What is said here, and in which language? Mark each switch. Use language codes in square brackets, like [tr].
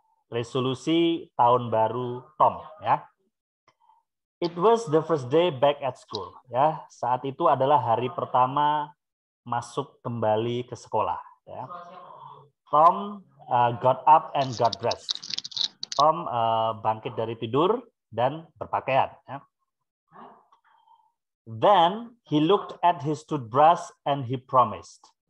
[id] Resolusi tahun baru Tom ya. [en] It was the first day back at school. [id] Ya, saat itu adalah hari pertama masuk kembali ke sekolah. Ya. [en] Tom got up and got dressed. [id] Tom bangkit dari tidur dan berpakaian. Ya. [en] Then he looked at his toothbrush and he promised.